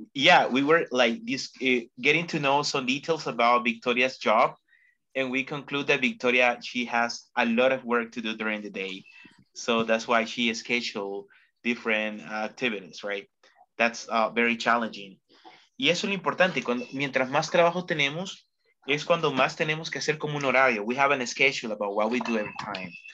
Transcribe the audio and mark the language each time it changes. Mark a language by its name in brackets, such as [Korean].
[English] Yeah, we were like this, getting to know some details about Victoria's job. And we conclude that Victoria, she has a lot of work to do during the day. So that's why she schedules different activities, right? That's very challenging. [Spanish] Y eso es lo importante. Mientras más trabajo tenemos, es cuando más tenemos que hacer como un horario. [English] We have a schedule about what we do every time.